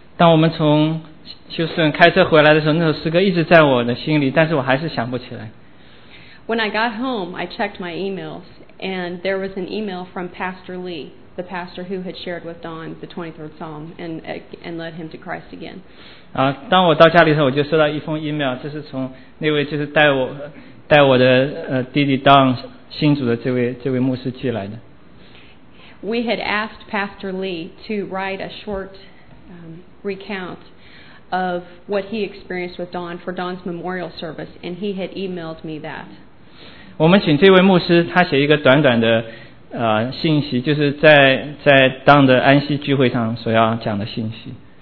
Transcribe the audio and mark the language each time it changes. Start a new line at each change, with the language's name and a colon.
Chinese: 当我们从休斯顿开车回来的时候，那首诗歌一直在我的心里，但是我还是想不起来。
English: When I got home, I checked my emails, and there was an email from Pastor Lee, the pastor who had shared with Don the 23rd Psalm and led him to Christ again.
Chinese: 当我到家里的时候，我就收到一封 email， 这是从那位就是带我的弟弟 Don 信主的这位牧师寄来的。
English: We had asked Pastor Lee to write a short recount of what he experienced with Don for Don's memorial service, and he had emailed me that.
Chinese: 我们请这位牧师他写一个短短的信息，就是在 Don 的安息聚会上所要讲的信息。